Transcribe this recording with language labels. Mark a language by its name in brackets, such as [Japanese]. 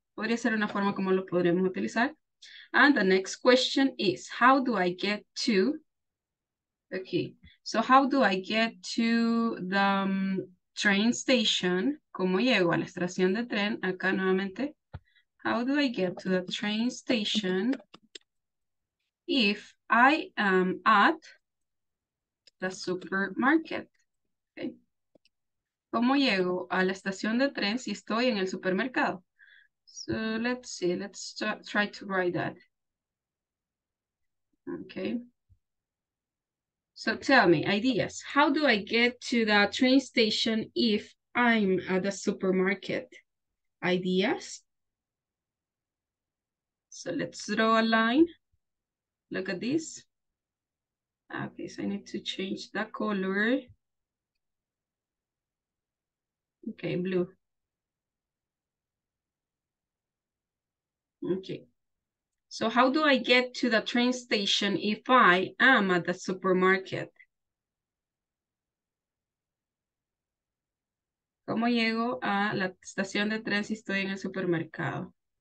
[Spanish] Podría ser una forma como lo podremos utilizar. [English] And the next question is, how do I get to, okay, so how do I get to the train station? [Spanish] ¿Cómo llego a la estación de tren? Acá nuevamente. [English] How do I get to the train station if I am at the supermarket? Okay. [Spanish] ¿Cómo llego a la estación de tren si estoy en el supermercado? [English] So let's see. Let's try to write that. Okay. So tell me, ideas. How do I get to the train station if I'm at the supermarket? Ideas? So let's draw a line. Look at this. Okay, so I need to change the color. Okay, blue. Okay. So how do I get to the train station if I am at the supermarket? [Spanish] ¿Cómo llego a la estación de tren si estoy en el supermercado?